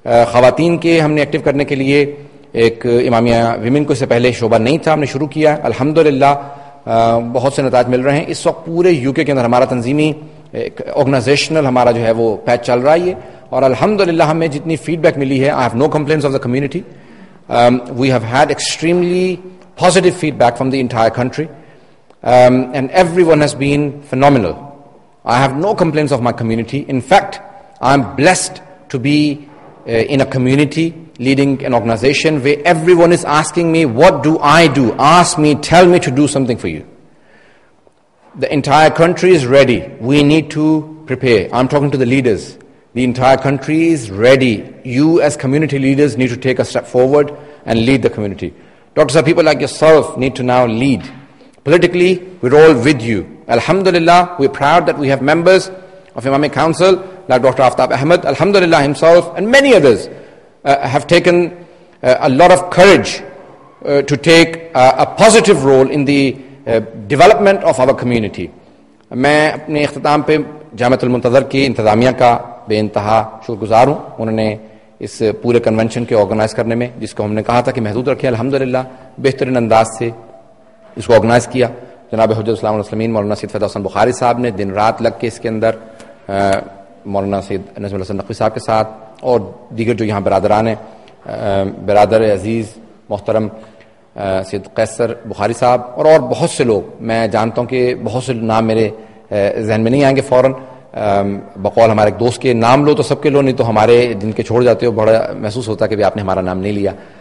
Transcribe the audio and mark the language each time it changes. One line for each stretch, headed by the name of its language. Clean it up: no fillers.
Urdu: خواتین کے ہم نے ایکٹیو کرنے کے لیے ایک امامیہ ویمن کو اس سے پہلے شعبہ نہیں تھا, ہم نے شروع کیا, الحمدللہ بہت سے نتائج مل رہے ہیں. اس وقت پورے یو کے اندر ہمارا تنظیمی آرگنائزیشنل ہمارا جو ہے وہ پیچ چل رہا ہے, اور الحمدللہ ہمیں جتنی فیڈ بیک ملی ہے,
English: I have no complaints of the community. We have had extremely positive feedback from the entire country, and everyone has been phenomenal. I have no complaints of my community. In fact, I am blessed to be in a community leading an organization where everyone is asking me, what do I do? Ask me, tell me to do something for you. The entire country is ready. We need to prepare. I'm talking to the leaders. The entire country is ready. You as community leaders need to take a step forward and lead the community. Dr. Sir, people like yourself need to now lead. Politically, we're all with you. Alhamdulillah, we're proud that we have members of Imamic Council, like Dr. Aftab Ahmed, Alhamdulillah himself, and many others have taken a lot of courage to take a positive role in the development of our community.
Urdu: میں اپنے اختتام پہ جامعۃ المنتظر کی انتظامیہ کا بے انتہا شکر گزار ہوں. انہوں نے اس پورے کنونشن کے آرگنائز کرنے میں, جس کو ہم نے کہا تھا کہ محدود رکھے, الحمدللہ بہترین انداز سے اس کو آرگنائز کیا. جناب حجت السلام علیہ مولانا سید فیض حسن بخاری صاحب نے دن رات لگ کے اس کے اندر مولانا سید نظم الحسن نقوی صاحب کے ساتھ اور دیگر جو یہاں برادران ہیں, برادر عزیز محترم سید قیصر بخاری صاحب اور بہت سے لوگ, میں جانتا ہوں کہ بہت سے نام میرے ذہن میں نہیں آئیں گے فوراً, بقول ہمارے ایک دوست کے, نام لو تو سب کے لو, نہیں تو ہمارے جن کے چھوڑ جاتے ہو بڑا محسوس ہوتا کہ بھی آپ نے ہمارا نام نہیں لیا.